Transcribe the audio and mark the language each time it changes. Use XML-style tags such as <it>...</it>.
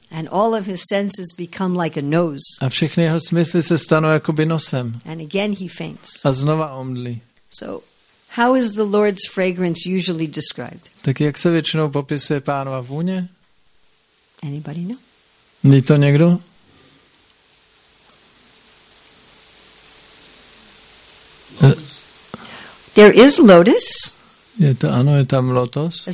<en>And all of his senses become like a nose.</en> <cs>A všechny jeho smysly se stanou jakoby nosem.</cs> <en>And again he faints.</en> <cs>A znova omdlí.</cs> <en>So, how is the Lord's fragrance usually described?</en> <cs>Tak jak se většinou popisuje pánova vůně?</cs> <en>Anybody know?</en> <cs>Ví to někdo?</cs> <en>There is lotus.</en> <cs>Je to, ano, je tam lotos.</cs>